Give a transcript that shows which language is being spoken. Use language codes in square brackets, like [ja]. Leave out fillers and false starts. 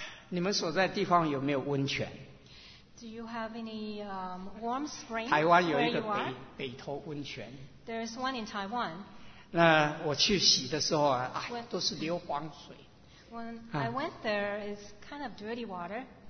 [zh] 你们所在地方有没有温泉？ [en] Do you have any warm spring? [zh] 台湾有一个北投温泉。 [en] There is one in Taiwan. [zh] 那我去洗的时候啊，哎，都是硫磺水。 [en] When I went there, it's kind of dirty water.